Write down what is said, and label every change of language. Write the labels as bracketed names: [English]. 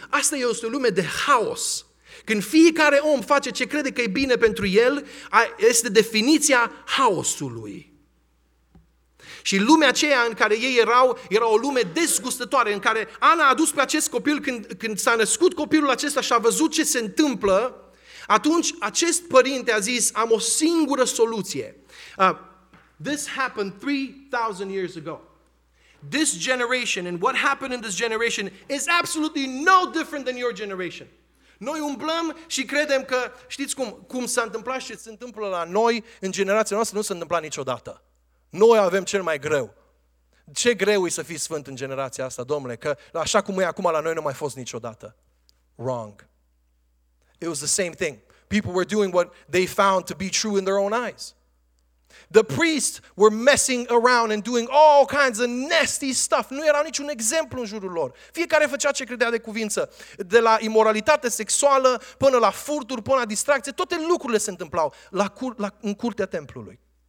[Romanian] Asta este o lume de haos. Când fiecare om face ce crede că e bine pentru el, este definiția haosului. Și lumea aceea în care ei erau, era o lume dezgustătoare, în care Ana a adus pe acest copil, când s-a născut copilul acesta și a văzut ce se întâmplă, atunci acest părinte a zis: am o singură soluție. [English] This happened 3,000 years ago. This generation and what happened in this generation is absolutely no different than your generation. [Romanian] Noi umblăm și credem că, știți cum s-a întâmplat și se întâmplă la noi, în generația noastră nu s-a întâmplat niciodată. Noi avem cel mai greu. Ce greu e să fii sfânt în generația asta, domnule, că așa cum e acum la noi nu mai fost niciodată. [English] Wrong. It was the same thing. People were doing what they found to be true in their own eyes. The priests were messing around and doing all kinds of nasty stuff. [Romanian] Nu erau niciun exemplu în jurul lor. Fiecare făcea ce credea de cuvință. De la imoralitate sexuală, până la furturi, până la distracție, toate lucrurile se întâmplau în curtea templului.